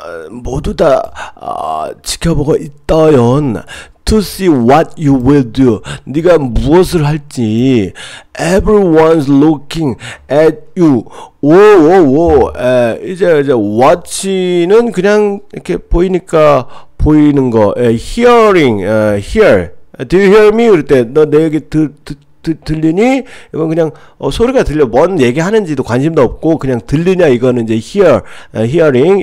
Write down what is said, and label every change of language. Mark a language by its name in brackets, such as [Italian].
[Korean] 모두 다 지켜보고 있다연. [English] To see what you will do. [Korean] 네가 무엇을 할지. [English] Everyone's looking at you. 오오오. [Korean] 에, 이제 watching은 그냥 이렇게 보이니까 보이는 거. 에, [English] hearing, hear. Do you hear me? [Korean] 그럴 때, 너 내 얘기 들리니? 이건 그냥, 소리가 들려. 뭔 얘기 하는지도 관심도 없고, 그냥 들리냐? 이거는 이제 hearing.